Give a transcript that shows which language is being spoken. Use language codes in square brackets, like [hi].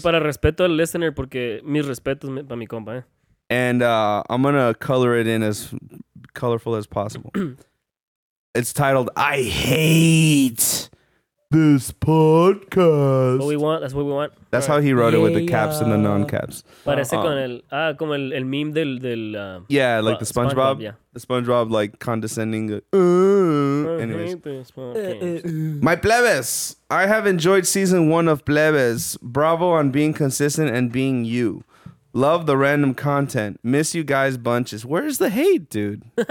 [es] Y para respeto al listener, porque mis respetos para mi compa. [en] And I'm going to color it in as colorful as possible. It's titled, I Hate This Podcast. What we want. That's what we want. That's right. How he wrote it with the caps and the non-caps. [es] Parece con el, como el meme del [en] yeah, like the SpongeBob. Yeah. The SpongeBob, like, condescending. Anyways. My plebes. I have enjoyed season one of Plebes. Bravo on being consistent and being you. Love the random content. Miss you guys bunches. Where's the hate, dude?